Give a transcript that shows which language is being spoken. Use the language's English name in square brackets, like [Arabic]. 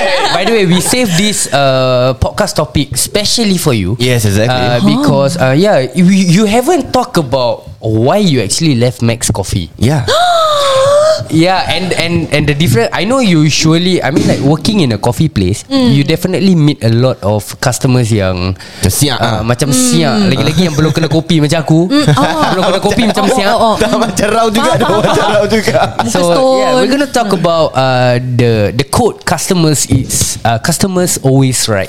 [English] By the way, we save this podcast topic specially for you. Yes, exactly. Because you haven't talked about why you actually left Max Coffee. Yeah. Yeah, and the difference, I know you surely, I mean, like working in a coffee place, you definitely meet a lot of customers [Malay] yang siak, macam siak, lagi-lagi yang belum kena kopi macam aku. Belum kena kopi macam siak. Macam raw juga. [English] So yeah, we're gonna talk about the code customers is customers always right.